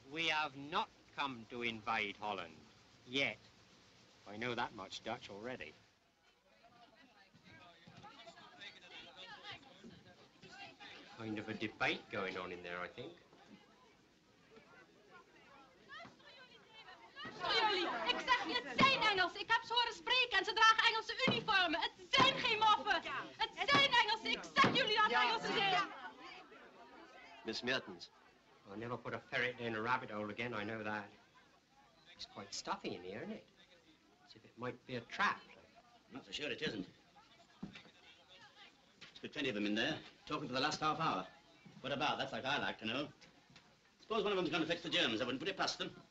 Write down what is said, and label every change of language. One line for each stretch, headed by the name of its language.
English: We have not come to invade Holland yet. I know that much Dutch already. Kind of a debate going on in there, I think.
Dutch: Ik zeg je, het zijn Engelsen. Ik heb ze horen spreken en ze dragen Engelse uniformen. Het zijn geen moffen. Het zijn Engelsen. Ik zeg jullie dat Engelsen zijn.
English: Miss Mertens, I'll never put a ferret in a rabbit hole again, I know that. It's quite stuffy in here, isn't it? As if it might be a trap. Not so sure it isn't. There's been plenty of them in there, talking for the last half hour. What about? That's like I like to know. Suppose one of them's going to fix the Germans. I wouldn't put it past them.